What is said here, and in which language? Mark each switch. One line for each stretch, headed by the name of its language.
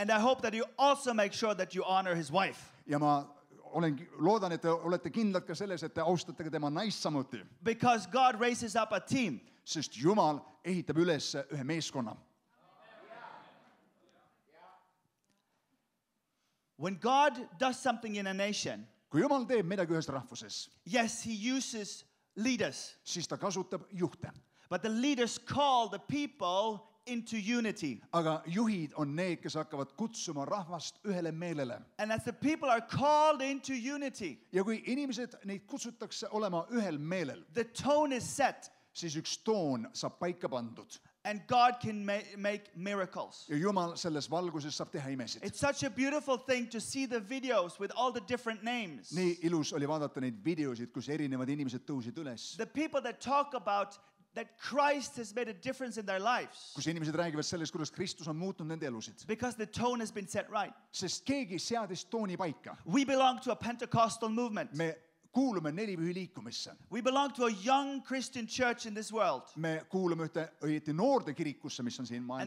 English: And I hope that you also make sure that you honor his wife.
Estonian: Ja ma loodan, et te olete kindlad ka selles, et te austate ka tema naist samuti.
English: Because God raises up a team.
Estonian: Sest Jumal ehitab üles ühe meeskonna.
English: When God does something in a nation,
Estonian: kui Jumal teeb midagi ühes rahvuses,
English: yes, he uses leaders.
Estonian: Siis ta kasutab juhte.
English: But the leaders call the people into unity.
Estonian: Aga juhid on need, kes hakkavad kutsuma rahvast ühele meelele.
English: And as the people are called into unity,
Estonian: ja kui inimesed neid kutsutakse olema ühel meelel,
English: the tone is set.
Estonian: Siis üks toon saab paika pandud.
English: And God can make miracles.
Estonian: Ja Jumal selles valguses saab teha imesid.
English: It's such a beautiful thing to see the videos with all the different names.
Estonian: Nii ilus oli vaadata neid videosid, kus erinevad inimesed tõusid üles.
English: The people that talk about that Christ has made a difference in their lives.
Estonian: Kus inimesed räägivad sellest, kuidas Kristus on muutnud nende elusid.
English: Because the tone has been set right.
Estonian: Sest keegi seadis tooni paika.
English: We belong to a Pentecostal movement.
Estonian: Me kuulume neli pühi liikumisse.
English: We belong to a young Christian church in this world.
Estonian: Me kuulume ühte õieti noorte kirikusse, mis on siin maailmas.